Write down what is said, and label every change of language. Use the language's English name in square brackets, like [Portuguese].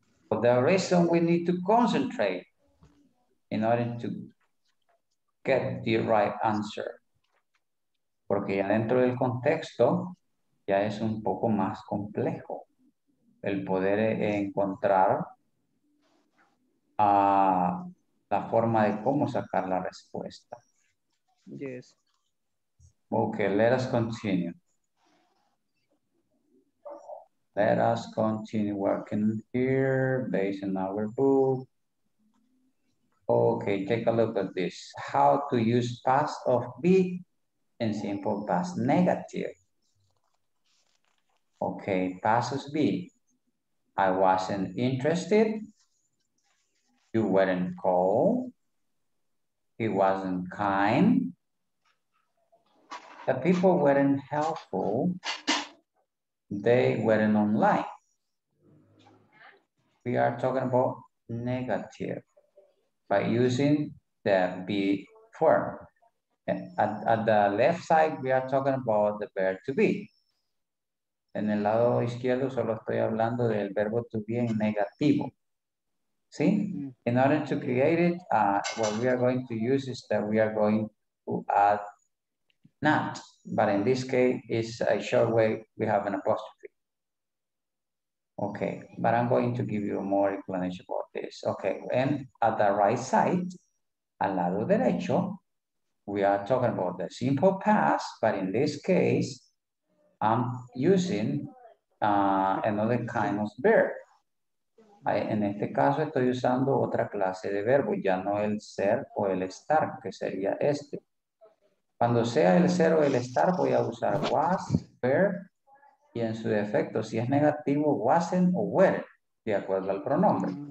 [English] For the reason we need to concentrate in order to get the right answer. [Spanish] Porque ya dentro del contexto, ya es un poco más complejo el poder encontrar la forma de cómo sacar la respuesta. [English] Yes. Okay, let us continue working here based on our book. Okay, take a look at this. How to use past of be in simple past negative. Okay, passes be. I wasn't interested. You weren't cold. He wasn't kind. The people weren't helpful. They weren't online. We are talking about negative by using the be form. At the left side, we are talking about the verb to be. [Spanish] En el lado izquierdo solo estoy hablando del verbo to be en negativo. ¿Sí? [English] In order to create it, what we are going to use is that we are going to add not, but in this case, it's a short way, we have an apostrophe. Okay, but I'm going to give you more explanation about this. Okay, and at the right side, [Spanish] al lado derecho, [English] we are talking about the simple past, but in this case, I'm using another kind of verb. [Spanish] En este caso estoy usando otra clase de verbo, ya no el ser o el estar, que sería este. Cuando sea el ser o el estar, voy a usar was, were, y en su defecto, si es negativo, wasn't o were, de acuerdo al pronombre.